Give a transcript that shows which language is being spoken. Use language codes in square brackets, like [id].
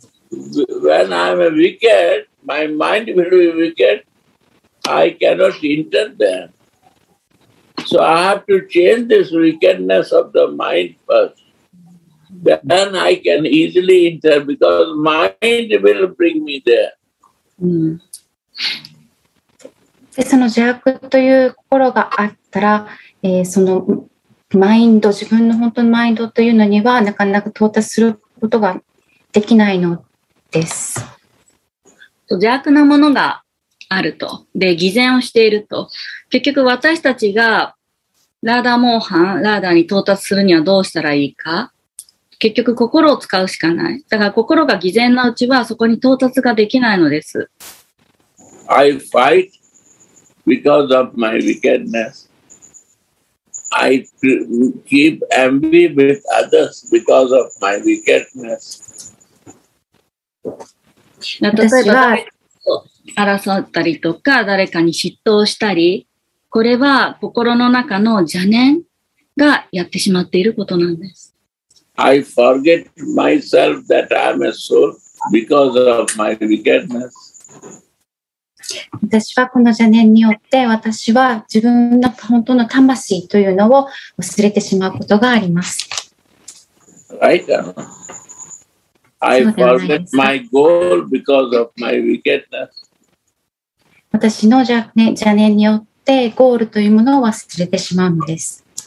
[en] When I am wicked, my mind will be wicked. I cannot enter there. So I have to change this wickedness of the mind first. Then I can easily enter because mind will bring me there. Mm. [ja] でその邪悪という心があったら、そのマインド、自分の本当のマインドというのにはなかなか到達することができないのです。邪悪なものがあると。で、偽善をしていると。結局私たちがラーダーモーハン、ラーダーに到達するにはどうしたらいいか。結局心を使うしかない。だから心が偽善なうちはそこに到達ができないのです。 [en] I fightBecause of my wickedness, I keep envy with others because of my wickedness. [ja] 例えば、争ったりとか、誰かに嫉妬をしたり、これは心の中の邪念がやってしまっていることなんです。 [en] I forget myself that I am a soul because of my wickedness. [ja] 私はこの邪念によって私は自分の本当の魂というのを忘れてしまうことがあります。 [en] Right. I forget my goal because of my wickedness. [ja] 私の邪念によってゴールというものを忘れてしまうのです。